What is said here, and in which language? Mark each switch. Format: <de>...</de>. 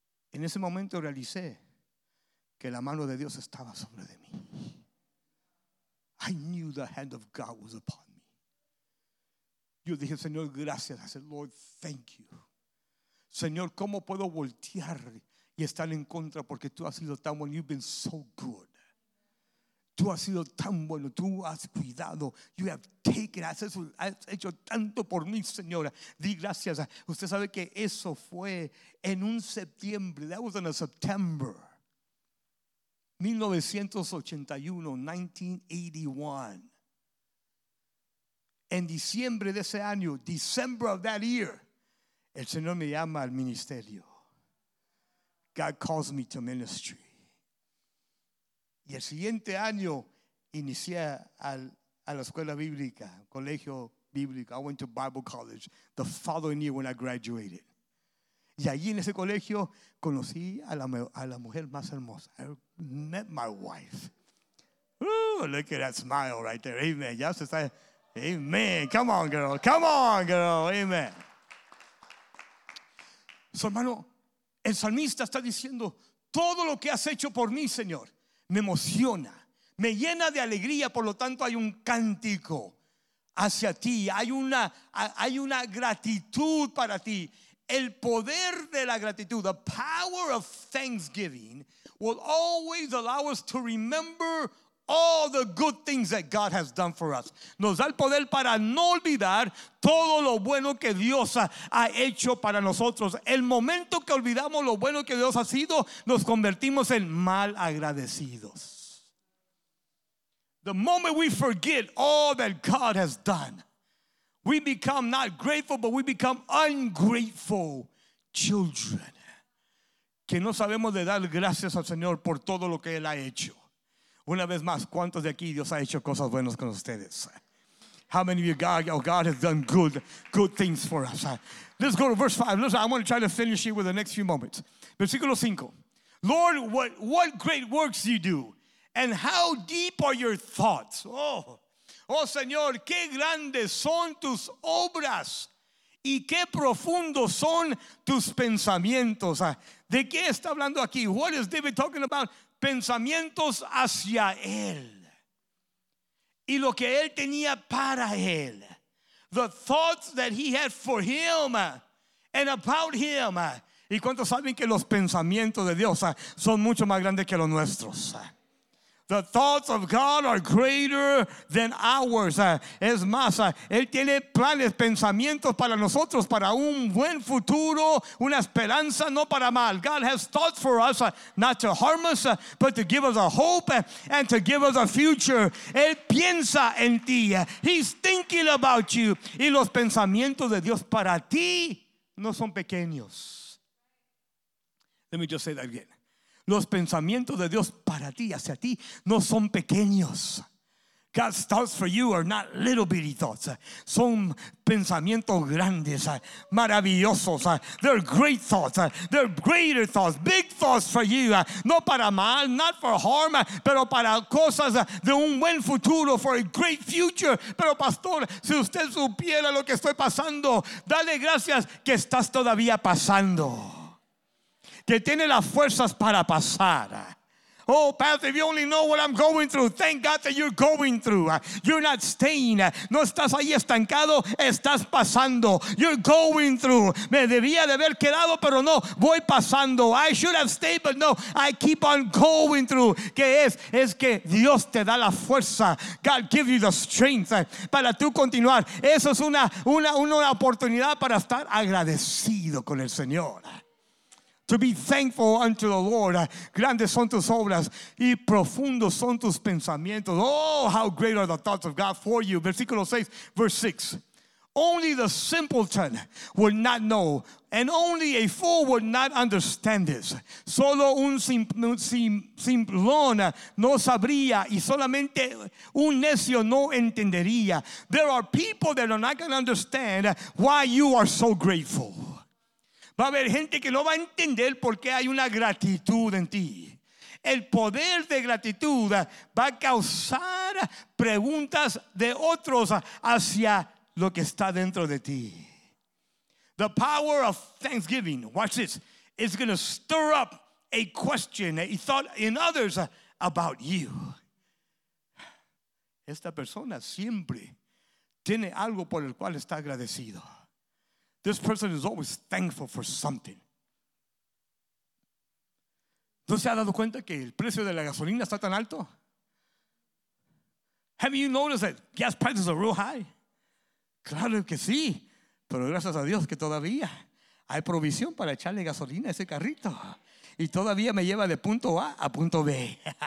<es>En ese momento realicé que la mano de Dios estaba sobre de mí.</es> <en>I knew the hand of God was upon me.</en> <es>Yo dije, Señor, gracias.</es> <en>I said, Lord, thank you.</en> <es>Señor, ¿cómo puedo voltear y estar en contra? Porque tú has sido tan bueno.</es> <en>You've been so good.</en> <es>Tú has sido tan bueno. Tú has cuidado.</es> <en>You have taken.</en> <es>Has hecho tanto por mí, Señora. Di gracias. Usted sabe que eso fue en un septiembre.</es> <en>That was in a September. 1981.</en> <es>En diciembre de ese año,</es> <en>December of that year,</en> <es>el Señor me llama al ministerio.</es> <en>God calls me to ministry.</en> <es>Y el siguiente año inicié a la escuela bíblica, colegio bíblico.</es> <en>I went to Bible college the following year when I graduated.</en> <es>Y allí en ese colegio conocí a la mujer más hermosa.</es> <en>I met my wife. Ooh, look at that smile right there. Amen.</en> <es>Ya se está.</es> <en>Amen. Come on, girl. Come on, girl. Amen.</en> <es>Su hermano, el salmista está diciendo, todo lo que has hecho por mí, Señor, me emociona, me llena de alegría, por lo tanto hay un cántico hacia ti, hay una gratitud para ti. El poder de la gratitud, the power of thanksgiving, will always allow us to remember all the good things that God has done for us. Nos da el poder para no olvidar todo lo bueno que Dios ha hecho para nosotros. El momento que olvidamos lo bueno que Dios ha sido, nos convertimos en mal agradecidos. The moment we forget all that God has done, we become not grateful, but we become ungrateful children. Que no sabemos de dar gracias al Señor por todo lo que Él ha hecho. Una vez más, ¿cuántos de aquí Dios ha hecho cosas buenas con ustedes?</es> <en>How many of you, God has done good things for us? Let's go to verse 5. Listen, I'm going to try to finish it with the next few moments.</en> <es>Versículo 5.</es> <en>Lord, what great works you do, and how deep are your thoughts?</en> <es>Oh, Señor, qué grandes son tus obras, y qué profundos son tus pensamientos. ¿De qué está hablando aquí?</es> <en>What is David talking about?</en> <es>Pensamientos hacia él. Y lo que él tenía para él.</es> <en>The thoughts that he had for him and about him.</en> <es>¿Y cuántos saben que los pensamientos de Dios son mucho más grandes que los nuestros?</es> <en>The thoughts of God are greater than ours.</en> <es>Es más, él tiene planes, pensamientos para nosotros, para un buen futuro, una esperanza, no para mal.</es> <en>God has thoughts for us, not to harm us, but to give us a hope and to give us a future.</en> <es>Él piensa en ti.</es> <en>He's thinking about you.</en> <es>Y los pensamientos de Dios para ti no son pequeños.</es> <en>Let me just say that again.</en> <es>Los pensamientos de Dios para ti, hacia ti, no son pequeños.</es> <en>God's thoughts for you are not little bitty thoughts.</en> <es>Son pensamientos grandes, maravillosos.</es> <en>They're great thoughts. They're greater thoughts. Big thoughts for you.</en> <es>No para mal,</es> <en>not for harm,</en> <es>pero para cosas de un buen futuro,</es> <en>for a great future.</en> <es>Pero pastor, si usted supiera lo que estoy pasando, dale gracias que estás todavía pasando. Que tiene las fuerzas para pasar.</es> <en>Oh, Pastor, if you only know what I'm going through, thank God that you're going through. You're not staying.</en> <es>No estás ahí estancado, estás pasando.</es> <en>You're going through.</en> <es>Me debía de haber quedado, pero no, voy pasando.</es> <en>I should have stayed, but no, I keep on going through.</en> <es>¿Qué es? Es que Dios te da la fuerza.</es> <en>God gives you the strength</en> <es>para tú continuar. Eso es una oportunidad para estar agradecido con el Señor.</es> <en>To be thankful unto the Lord.</en> <es>Grandes son tus obras y profundos son tus pensamientos.</es> <en>Oh, how great are the thoughts of God for you. Verse 6. Only the simpleton would not know, and only a fool would not understand this.</en> <es>Solo un simplón no sabría, y solamente un necio no entendería.</es> <en>There are people that are not going to understand why you are so grateful.</en> <es>Va a haber gente que no va a entender por qué hay una gratitud en ti. El poder de gratitud va a causar preguntas de otros hacia lo que está dentro de ti.</es> <en>The power of thanksgiving, watch this, is going to stir up a question, a thought in others about you.</en> <es>Esta persona siempre tiene algo por el cual está agradecido.</es> <en>This person is always thankful for something.</en> <es>¿No se ha dado cuenta que el precio de la gasolina está tan alto?</es> <en>Have you noticed that gas prices are real high?</en> <es>Claro que sí, pero gracias a Dios que todavía hay provisión para echarle gasolina a ese carrito y todavía me lleva de punto A a punto B.</es>